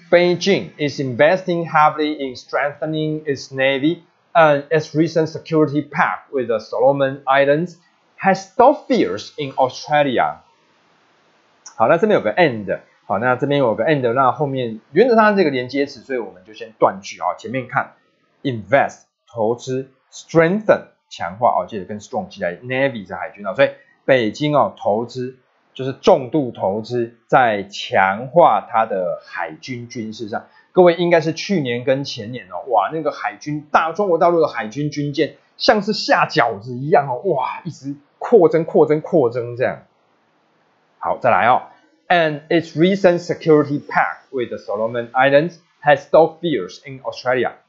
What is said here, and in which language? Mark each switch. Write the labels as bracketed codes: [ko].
[en] Beijing is investing heavily in strengthening its navy, and its recent security pact with the Solomon Islands has stoked fears in Australia. [zh] 好，那这边有个 end， 好，那这边有个 end， 那后面原则上这个连接词，所以我们就先断句啊、哦。前面看 invest 投资 ，strengthen 强化啊、哦，记得跟 strong 记在 navy 是海军啊、哦，所以北京哦投资。就是重度投资在强化它的海军军事上，各位应该是去年跟前年哦，哇，那个海军大中国大陆的海军军舰像是下饺子一样哦，哇，一直扩增这样。 [en] 好，再来哦 ，And its recent security pact with the Solomon Islands has stoked fears in Australia.